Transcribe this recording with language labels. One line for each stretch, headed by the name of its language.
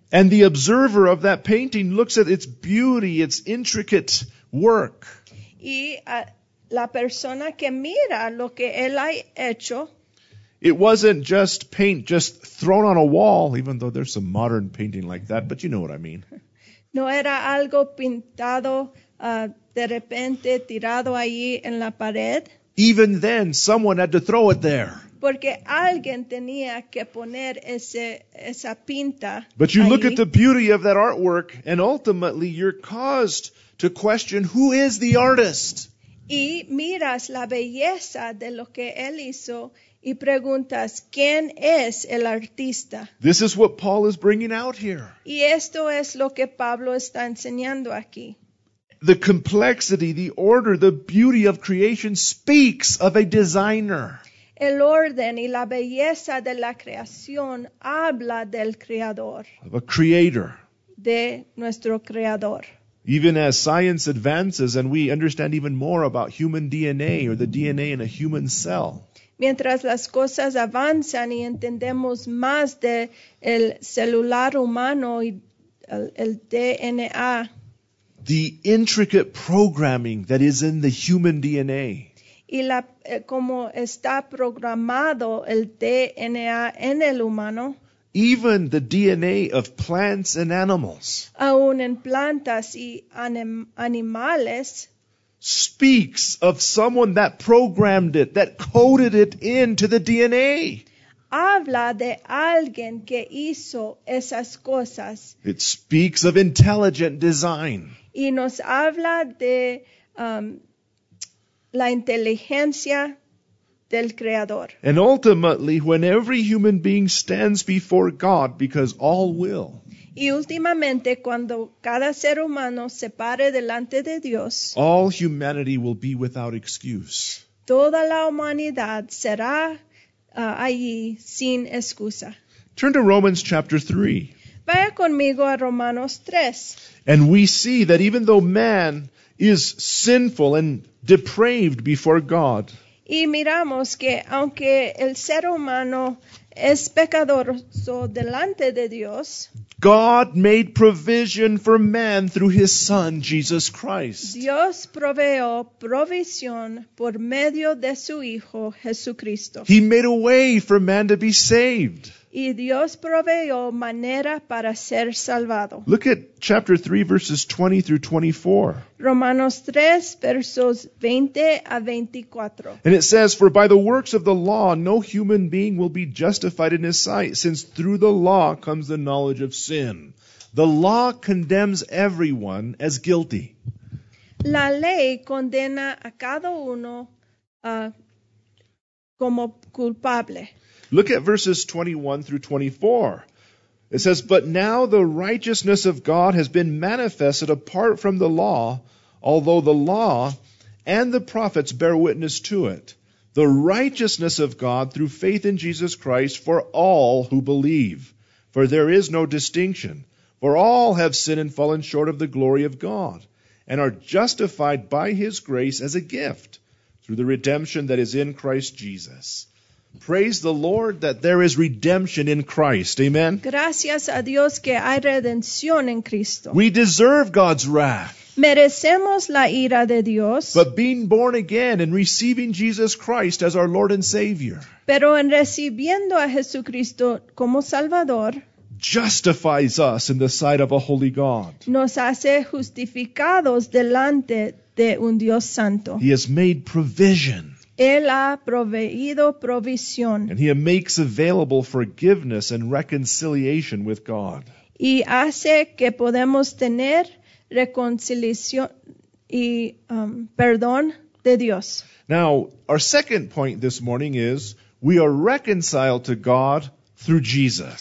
English: And the observer of that painting looks at its beauty, its intricate work.
Spanish: Y la persona que mira lo que él ha hecho.
English: It wasn't just paint just thrown on a wall, even though there's some modern painting like that, but you know what I mean.
Spanish: No era algo pintado de repente tirado ahí en la pared.
English: Even then, someone had to throw it there.
Spanish: Porque alguien tenía que poner esa pinta.
English: But you
Spanish: ahí.
English: Look at the beauty of that artwork, and ultimately you're caused to question, who is the artist?
Spanish: Y miras la belleza de lo que él hizo, y preguntas, ¿quién es el artista?
English: This is what Paul is bringing out here.
Spanish: Y esto es lo que Pablo está enseñando aquí.
English: The complexity, the order, the beauty of creation speaks of a designer.
Spanish: El orden y la belleza de la creación habla del creador.
English: Of a creator.
Spanish: De nuestro creador.
English: Even as science advances and we understand even more about human DNA or the DNA in a human cell.
Spanish: Mientras las cosas avanzan y entendemos más de el celular humano y el DNA.
English: The intricate programming that is in the human DNA.
Spanish: Y como está programado el DNA en el humano.
English: Even the DNA of plants and animals.
Spanish: Aún en plantas y animales.
English: Speaks of someone that programmed it, that coded it into the DNA.
Spanish: Habla de alguien que hizo esas cosas.
English: It speaks of intelligent design.
Spanish: Y nos habla de la inteligencia del creador.
English: And ultimately, when every human being stands before God, because all will.
Spanish: Y últimamente, cuando cada ser humano se pare delante de Dios.
English: All humanity will be without excuse.
Spanish: Toda la humanidad será allí sin excusa.
English: Turn to Romans chapter 3.
Spanish: Vaya conmigo a Romanos 3.
English: And we see that even though man is sinful and depraved before God.
Spanish: Y miramos que aunque el ser humano es pecadoroso delante de Dios.
English: God made provision for man through his son, Jesus Christ.
Spanish: Dios proveó provisión por medio de su hijo, Jesucristo.
English: He made a way for man to be saved.
Spanish: Y Dios proveyó manera para ser salvado.
English: Look at chapter 3, verses 20 through 24.
Spanish: Romanos 3, versos 20 a 24.
English: And it says, "For by the works of the law, no human being will be justified in his sight, since through the law comes the knowledge of sin. The law condemns everyone as guilty."
Spanish: La ley condena a cada uno como culpable.
English: Look at verses 21 through 24. It says, "But now the righteousness of God has been manifested apart from the law, although the law and the prophets bear witness to it. The righteousness of God through faith in Jesus Christ for all who believe. For there is no distinction. For all have sinned and fallen short of the glory of God, and are justified by His grace as a gift through the redemption that is in Christ Jesus." Praise the Lord that there is redemption in Christ. Amen.
Spanish: Gracias a Dios que hay redención en Cristo.
English: We deserve God's wrath.
Spanish: Merecemos la ira de Dios.
English: But being born again and receiving Jesus Christ as our Lord and Savior.
Spanish: Pero en recibiendo a Jesucristo como Salvador.
English: Justifies us in the sight of a holy God.
Spanish: Nos hace justificados delante de un Dios santo.
English: He has made provision.
Spanish: Él ha proveído provisión.
English: And He makes available forgiveness and reconciliation with God.
Spanish: Y hace que podemos tener reconciliación y perdón de Dios.
English: Now, our second point this morning is, we are reconciled to God through Jesus.